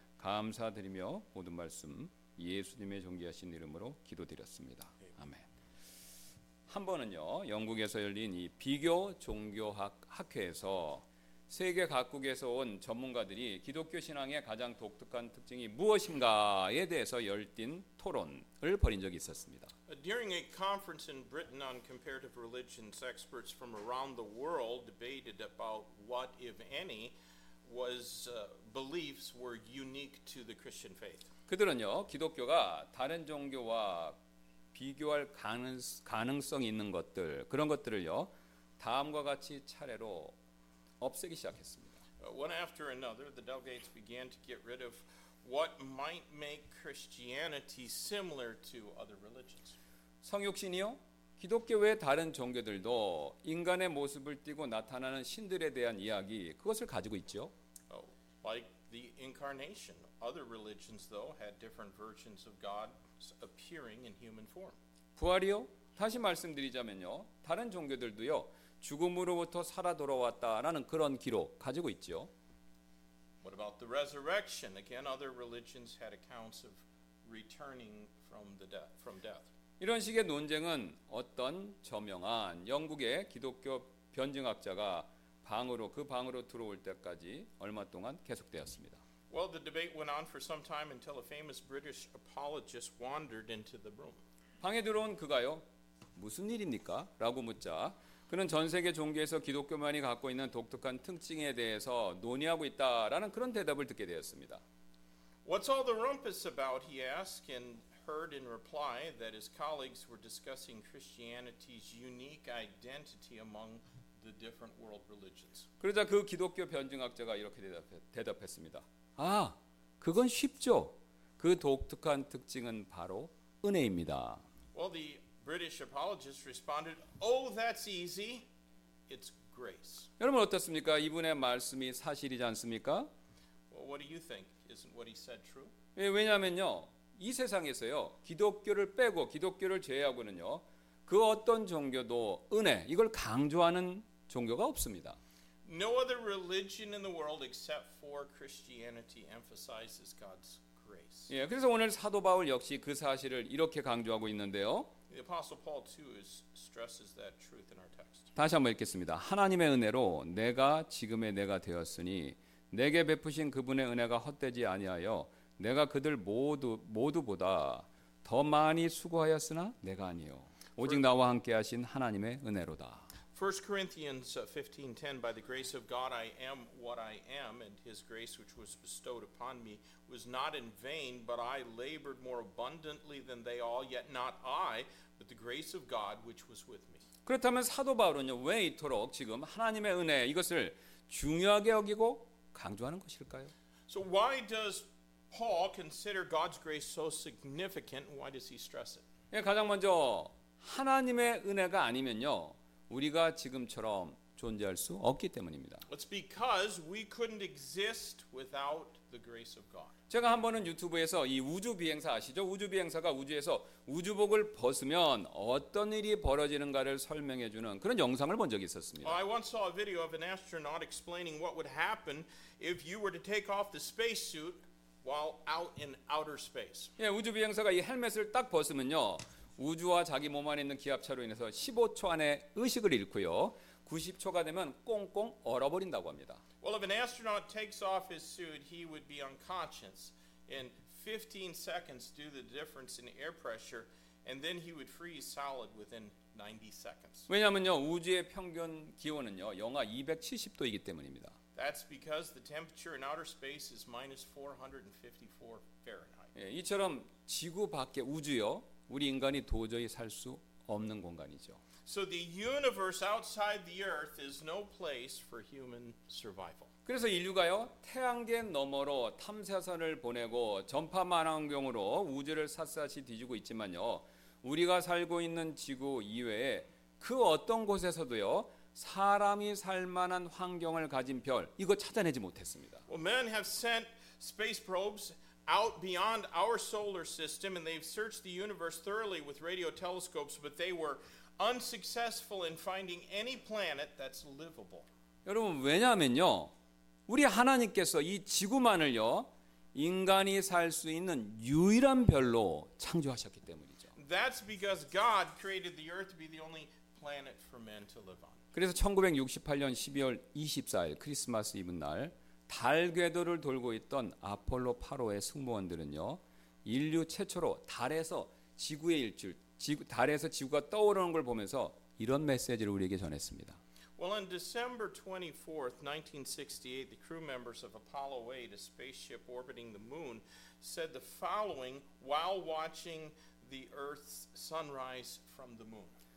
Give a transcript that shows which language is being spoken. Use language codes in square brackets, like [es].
[ko] 감사드리며 모든 말씀 예수님의 존귀하신 이름으로 기도드렸습니다. 아멘. 한 번은요 영국에서 열린 이 비교 종교학 학회에서 세계 각국에서 온 전문가들이 기독교 신앙의 가장 독특한 특징이 무엇인가에 대해서 열띤 토론을 벌인 적이 있었습니다. [en] During a conference in Britain on comparative religions, experts from around the world debated about what, if any, was beliefs were unique to the Christian faith. [ko] 그들은요, 기독교가 다른 종교와 비교할 가능성이 있는 것들, 그런 것들을요, 다음과 같이 차례로 없애기 시작했습니다. [en] One after another, the delegates began to get rid of what might make Christianity similar to other religions. [ko] 성육신이요? 기독교 외 다른 종교들도 인간의 모습을 띠고 나타나는 신들에 대한 이야기, 그것을 가지고 있죠. [en] Like the incarnation, other religions though had different versions of God appearing in human form. [ko] 부활이요? 다시 말씀드리자면요, 다른 종교들도요. 죽음으로부터 살아 돌아왔다라는 그런 기록 가지고 있죠. [en] What about the resurrection? Again, other religions had accounts of returning from death. [ko] 이런 식의 논쟁은 어떤 저명한 영국의 기독교 변증학자가 방으로 그 방으로 들어올 때까지 얼마 동안 계속되었습니다. [en] Well, the debate went on for some time until a famous British apologist wandered into the room. [ko] 방에 들어온 그가요? 무슨 일입니까? 라고 묻자 그는 전 세계 종교에서 기독교만이 갖고 있는 독특한 특징에 대해서 논의하고 있다라는 그런 대답을 듣게 되었습니다. [en] What's all the rumpus about? He asked and heard in reply that his colleagues were discussing Christianity's unique identity among the different world religions. [ko] 그러자 그 기독교 변증학자가 이렇게 대답했습니다. 아, 그건 쉽죠. 그 독특한 특징은 바로 은혜입니다. [en] Well, the British apologist responded, "Oh, that's easy. It's grace." [ko] 여러분 어떻습니까? 이분의 말씀이 사실이지 않습니까? [en] Well, what do you think? Isn't what he said true? [ko] 왜냐하면요, 이 세상에서요, 기독교를 빼고 기독교를 제외하고는요, 그 어떤 종교도 은혜 이걸 강조하는 종교가 없습니다. [en] No other religion in the world except for Christianity emphasizes God's grace. [ko] 예, 그래서 오늘 사도 바울 역시 그 사실을 이렇게 강조하고 있는데요. [en] The Apostle Paul too stresses that truth in our text. [ko] 다시 한번 읽겠습니다. 하나님의 은혜로 내가 지금의 내가 되었으니 내게 베푸신 그분의 은혜가 헛되지 아니하여 내가 그들 모두보다 더 많이 수고하였으나 내가 아니요 오직 나와 함께 하신 하나님의 은혜로다. [en] 1 Corinthians 15:10 By the grace of God I am what I am and his grace which was bestowed upon me was not in vain but I labored more abundantly than they all yet not I but the grace of God which was with me. [ko] 그렇다면 사도 바울은요 왜 이토록 지금 하나님의 은혜 이것을 중요하게 여기고 강조하는 것일까요? [en] So why does Paul consider God's grace so significant why does he stress it? [ko] 예, 가장 먼저 하나님의 은혜가 아니면요 우리가 지금처럼 존재할 수 없기 때문입니다. [en] It's because we couldn't exist without the grace of God. [ko] 제가 한 번은 유튜브에서 이 우주 비행사 아시죠? 우주 비행사가 우주에서 우주복을 벗으면 어떤 일이 벌어지는가를 설명해 주는 그런 영상을 본 적이 있었습니다. [en] I once saw a video of an astronaut explaining what would happen if you were to take off the space suit while out in outer space. [ko] 예, 우주 비행사가 이 헬멧을 딱 벗으면요. 우주와 자기 몸 안에 있는 기압차로 인해서 15초 안에 의식을 잃고요. 90초가 되면 꽁꽁 얼어버린다고 합니다. [en] Well, if an astronaut takes off his suit, he would be unconscious in 15 seconds due to the difference in air pressure, and then he would freeze solid within 90 seconds. [ko] 왜냐면요, 우주의 평균 기온은요, 영하 270도이기 때문입니다. [en] That's because the temperature in outer space is -454 Fahrenheit. [ko] 예, 이처럼 지구 밖에 우주요. 우리 인간이 도저히 살 수 없는 공간이죠. [en] So the universe outside the earth is no place for human survival. [ko] 그래서 인류가요, 태양계 너머로 탐사선을 보내고 전파 망원경으로 우주를 샅샅이 뒤지고 있지만요. 우리가 살고 있는 지구 이외에 그 어떤 곳에서도요. 사람이 살 만한 환경을 가진 별 이거 찾아내지 못했습니다. [en] Well, men have sent space probes out beyond our solar system and they've searched the universe thoroughly with radio telescopes but they were unsuccessful in finding any planet that's livable. [ko] 여러분 왜냐면요. 우리 하나님께서 이 지구만을요. 인간이 살 수 있는 유일한 별로 창조하셨기 때문이죠. [en] That's because God created the earth to be the only planet for men to live on. [ko] 그래서 1968년 12월 24일 크리스마스 이브 날 달 궤도를 돌고 있던 아폴로 8호의 승무원들은요. 인류 최초로 달에서 지구의 일주일, 달에서 지구가 떠오르는 걸 보면서 이런 메시지를 우리에게 전했습니다. [en] Well, on December 24th, 1968, the crew members of Apollo 8, a spaceship orbiting the moon, said the following while watching the Earth's sunrise from the moon.